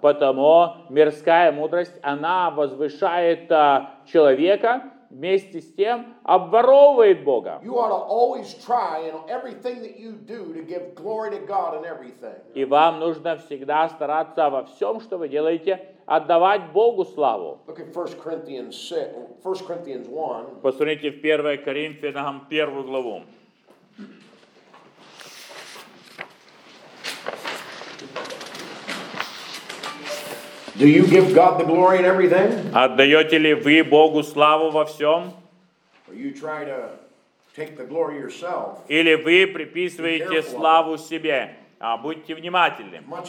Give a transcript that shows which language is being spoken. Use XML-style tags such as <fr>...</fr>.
<ru>Потому мирская мудрость, она возвышает человека, вместе с тем обворовывает Бога.</ru> <en>You ought to always try in everything that you do to give glory to God in everything.</en> <ru>И вам нужно всегда стараться во всем, что вы делаете, отдавать Богу славу.</ru> <en>Look at 1 Corinthians 1.</en> <ru>Посмотрите в 1 Коринфянам 1 главу.</ru> <en>Do you give God the glory in everything?</en> <ru>Отдаете ли вы Богу славу во всем?</ru> <en>Or you try to take the glory yourself?</en> <ru>Или вы приписываете славу себе? будьте внимательны.</ru>